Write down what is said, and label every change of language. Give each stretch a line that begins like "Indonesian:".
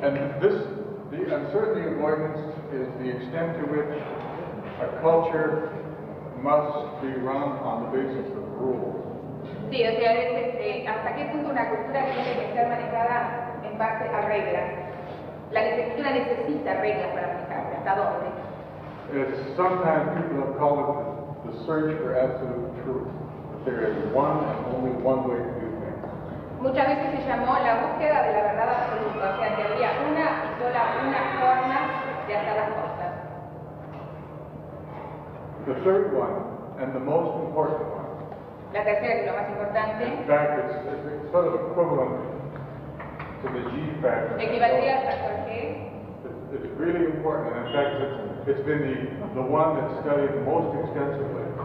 English: And this, the uncertainty avoidance is the extent to which a culture must be run on the basis of rules.
Spanish: Sí, o sea, hasta qué punto una cultura tiene que ser manejada en base a reglas. La cultura necesita reglas para aplicarla. ¿Hasta dónde?
English: Sometimes people have called it the search for absolute truth. There is one and only one way to do things.
Spanish: Muchas veces se llamó la búsqueda de la verdad absoluta, o sea, que había una y sola una forma de hacer las cosas.
English: The third one, and the most important one.
Spanish: La tercera, que lo más importante.
English: In fact, it's sort of equivalent to the G factor.
Spanish: Equivalía al factor G.
English: It's really important, and in fact, it's been the one that's studied most extensively.